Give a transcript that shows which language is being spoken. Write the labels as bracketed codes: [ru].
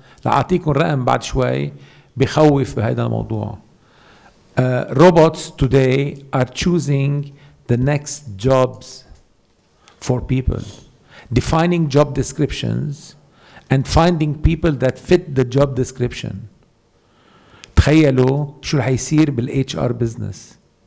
[ar] لأعطيكم رقم بعد شوي بخوف بهذا الموضوع. [en] Robots today are choosing the next jobs for people. Defining job descriptions and finding people that fit the job description. [ar] تخيلوا شو رح يصير بال HR business.